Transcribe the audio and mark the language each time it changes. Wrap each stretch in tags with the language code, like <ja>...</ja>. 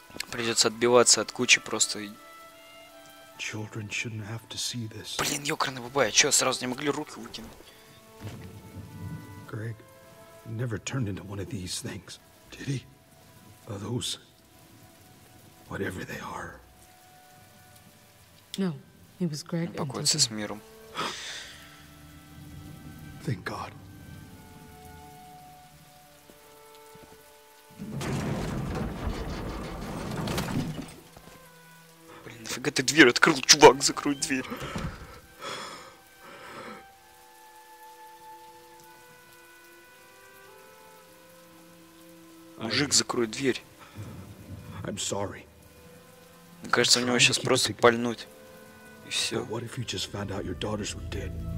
<ru>Придется отбиваться от кучи просто.</ru> <en>Children shouldn't have to see this.</en> <ru>Блин, ёкарный бабай, чё, сразу не могли руки выкинуть?</ru> <en>Greg never turned into one of these things, did he? Are those, whatever they are. No, he was Greg.</en> <ru>Покойся с миром.</ru> <en>Thank God.</en> <ru>Нафига ты дверь открыл, чувак, закрой дверь. Мужик, закрой дверь.</ru> <en>I'm sorry.</en> <ru>Мне кажется, у него сейчас просто пальнуть. И все.</ru> <en>What if you just found out your daughters were dead?</en>